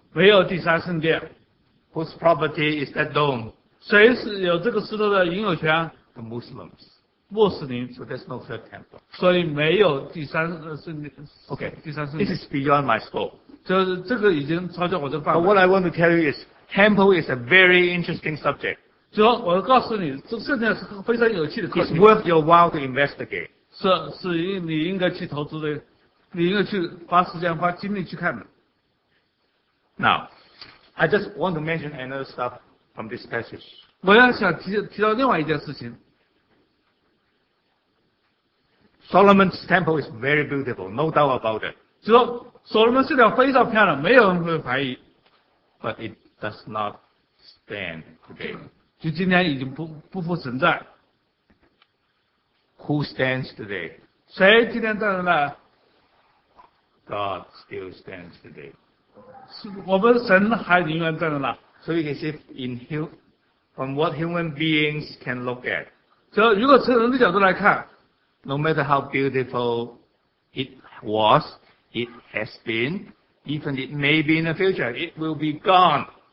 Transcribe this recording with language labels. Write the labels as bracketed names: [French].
[Chinese] 没有第三圣殿。 [English] Whose property is that dome? [Chinese] 谁是有这个石头的拥有权 [English] The Muslims. [Chinese] 穆斯林。 [English] So there's no third temple. [Chinese] 所以没有第三圣殿。 [English] Okay, [Chinese] 第三圣殿。 [English] This is beyond my scope. [Chinese] 就是这个已经超出我的范围。 [English] But what I want to tell you is, temple is a very interesting subject. [Chinese] 就说我告诉你，这圣殿是非常有趣的课题。 [English] It's worth your while to investigate. [Chinese] 是你应该去投资的，你应该去花时间、花精力去看的。 [English] Now, I just want to mention another stuff from this passage. [Chinese] 我要想提到另外一件事情。 [English] Solomon's temple is very beautiful, no doubt about it. [Chinese] 就说所罗门圣殿非常漂亮，没有人会怀疑。 [English] But it does not stand today. [Chinese] 就今天已经不复存在。 [English] Who stands today? [Chinese] 谁今天站在那 [English] ？God still stands today. [Chinese] 我们神还仍然站在那。 [English] So you can see from what human beings can look at. [Chinese] 就如果从人的角度来看 [English] ，No matter how beautiful it was. It has been, even it may be in the future, it will be gone.